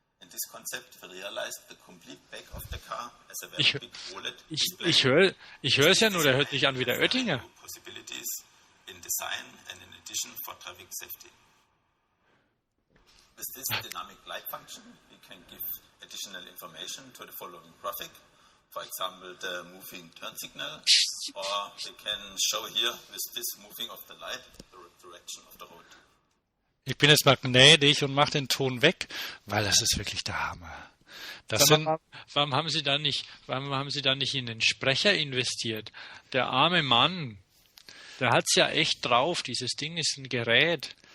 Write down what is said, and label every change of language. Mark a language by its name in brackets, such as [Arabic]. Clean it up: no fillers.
[English] This concept will realize the complete back of the car as a very [German] ich, [English] big OLED display. [German] Ich höre es ja nur, der hört nicht an wie der Oettinger. [English] Possibilities in design and in addition for traffic safety. With this dynamic light function, we can give additional information to the following graphic. For example, the moving turn signal. Or we can show here with this moving of the light the direction of the road. [German] Ich bin jetzt mal gnädig und mache den Ton weg, weil das ist wirklich der Hammer. Warum haben Sie da nicht in den Sprecher investiert? Der arme Mann, der hat es ja echt drauf. Dieses Ding ist ein Gerät.